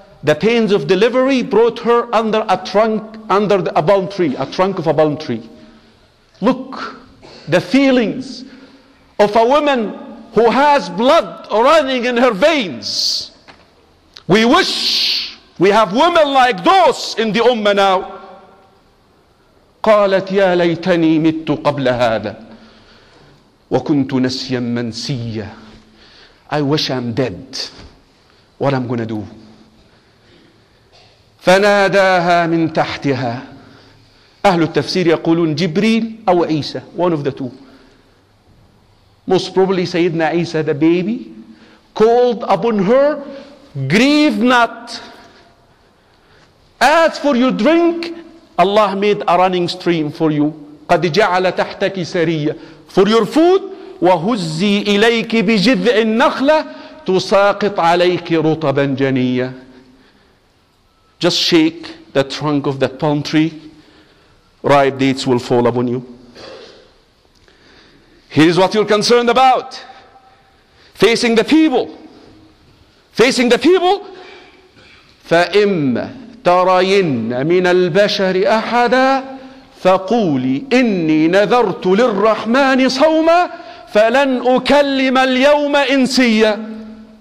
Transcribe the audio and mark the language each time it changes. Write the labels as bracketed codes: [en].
[en] The pains of delivery brought her under a trunk, under a palm tree, a trunk of a palm tree. Look, the feelings of a woman who has blood running in her veins. We wish we have women like those in the Ummah now. [ar] قالت يا ليتني مت قبل هذا وكنت نسيا منسيا. [en] I wish I'm dead. What am I going to do? [ar] فناداها من تحتها. أهل التفسير يقولون جبريل أو عيسى. [en] One of the two. Most probably Sayyidina Isa, the baby, called upon her, grieve not. As for your drink, Allah made a running stream for you. [ar] قد جعل تحتك سرية. [en] For your food, [ar] وهزي إليك بجذع النخلة تساقط عليك رطبا جنية. [en] Just shake the trunk of that palm tree, ripe dates will fall upon you. Here is what you're concerned about. Facing the people. Facing the people. [ar] فَإِمَّ تَرَيِنَّ مِنَ الْبَشَرِ أَحَدًا فَقُولِ إِنِّي نَذَرْتُ لِلرَّحْمَنِ صَوْمًا فَلَنْ أُكَلِّمَ الْيَوْمَ إِنْسِيًّا.